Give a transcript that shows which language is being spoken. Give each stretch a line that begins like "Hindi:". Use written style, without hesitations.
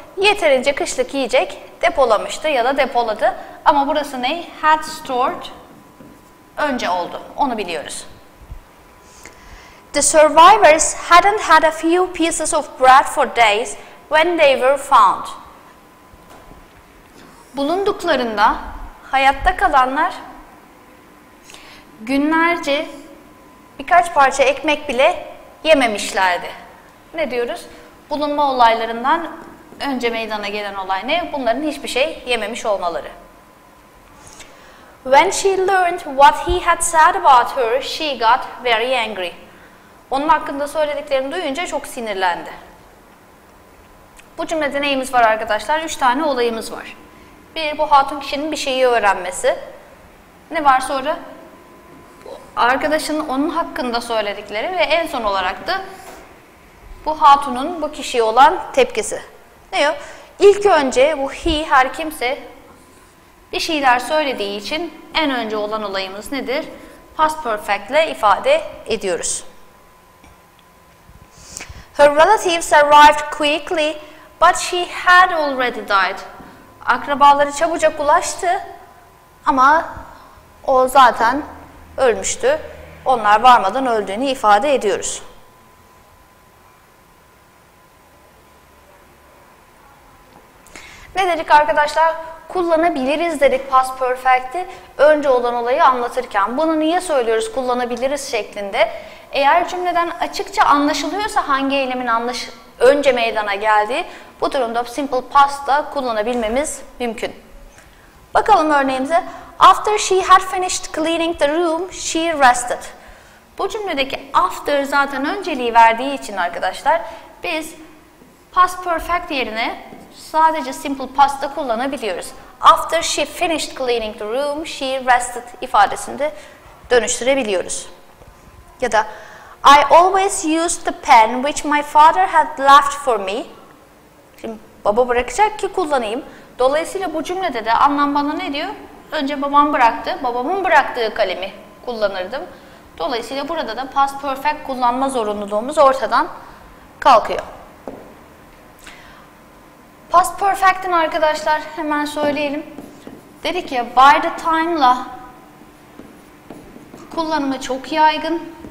Turkish: Yeterince kışlık yiyecek depolamıştı ya da depoladı. Ama burası ne?
English: Had stored
Turkish: önce oldu. Onu biliyoruz.
English: The survivors hadn't had a few pieces of bread for days when they were found.
Turkish: Bulunduklarında hayatta kalanlar günlerce birkaç parça ekmek bile yememişlerdi. Ne diyoruz? Bulunma olaylarından önce meydana gelen olay ne? Bunların hiçbir şey yememiş olmaları.
English: When she learned what he had said about her, she got very angry.
Turkish: Onun hakkında söylediklerini duyunca çok sinirlendi. Bu cümlede neyimiz var arkadaşlar? 3 tane olayımız var. Bir, bu hatun kişinin bir şeyi öğrenmesi. Ne var sonra? Arkadaşının onun hakkında söyledikleri ve en son olarak da bu hatunun bu kişiye olan tepkisi. Ne o? İlk önce bu he, her kimse bir şeyler söylediği için en önce olan olayımız nedir? Past perfect ile ifade ediyoruz.
English: Her relatives arrived quickly, but she had already died.
Turkish: Akrabaları çabucak ulaştı ama o zaten ölmüştü. Onlar varmadan öldüğünü ifade ediyoruz. Ne dedik arkadaşlar? Kullanabiliriz dedik past perfect'i önce olan olayı anlatırken. Bunu niye söylüyoruz kullanabiliriz şeklinde? Eğer cümleden açıkça anlaşılıyorsa hangi eylemin önce meydana geldiği, bu durumda simple past da kullanabilmemiz mümkün. Bakalım örneğimize.
English: After she had finished cleaning the room, she rested.
Turkish: Bu cümledeki after zaten önceliği verdiği için arkadaşlar biz past perfect yerine sadece simple past da kullanabiliyoruz.
English: After she finished cleaning the room, she rested
Turkish: ifadesinde dönüştürebiliyoruz. Ya da
English: I always used the pen which my father had left for me.
Turkish: Şimdi baba bırakacak ki kullanayım. Dolayısıyla bu cümlede de anlam bana ne diyor? Önce babam bıraktı, babamın bıraktığı kalemi kullanırdım. Dolayısıyla burada da past perfect kullanma zorunluluğumuz ortadan kalkıyor. Past perfect'in arkadaşlar hemen söyleyelim. Dedik ya by the time'la kullanımı çok yaygın.